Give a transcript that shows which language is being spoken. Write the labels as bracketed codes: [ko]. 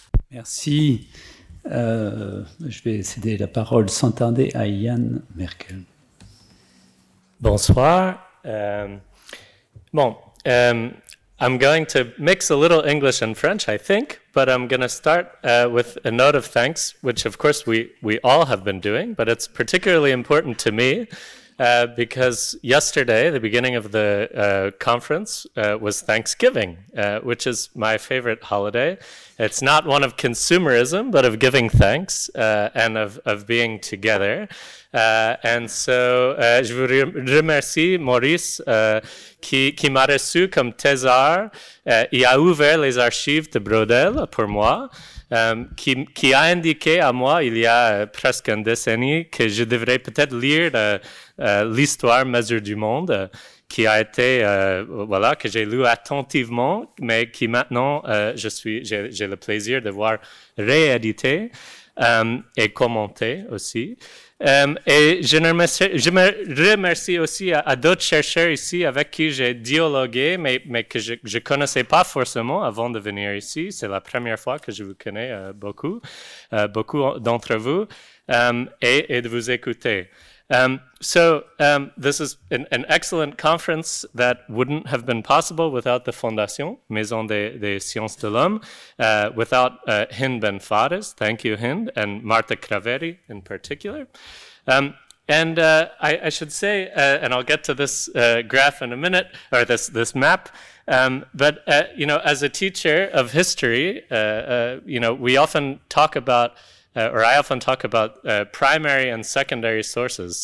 [fr] Merci. Je vais céder la parole sans tarder à Yann Merkel. Bonsoir. [en] I'm going to mix a little English and French, I think, but I'm going to start with a note of thanks, which of course we all have been doing, but it's particularly important to me because yesterday, the beginning of the conference, was Thanksgiving, which is my favorite holiday. It's not one of consumerism, but of giving thanks and of being together. And so [fr] je vous remercie Maurice qui m'a reçu comme thésard et a ouvert les archives de Braudel pour moi, qui a indiqué à moi il y a presque une décennie que je devrais peut-être lire l'histoire mesure du monde, qui a été, que j'ai lu attentivement, mais qui maintenant, j'ai le plaisir de voir réédité et commenté aussi. Et je me remercie aussi à d'autres chercheurs ici avec qui j'ai dialogué, mais que je ne connaissais pas forcément avant de venir ici. C'est la première fois que je vous connais beaucoup d'entre vous, et de vous écouter. [en] This is an excellent conference that wouldn't have been possible without the Fondation, Maison des Sciences de l'Homme, without Hind Benfares, thank you Hind, and Marta Craveri in particular. I should say, and I'll get to this graph in a minute, or this map, as a teacher of history, we often talk about primary and secondary sources.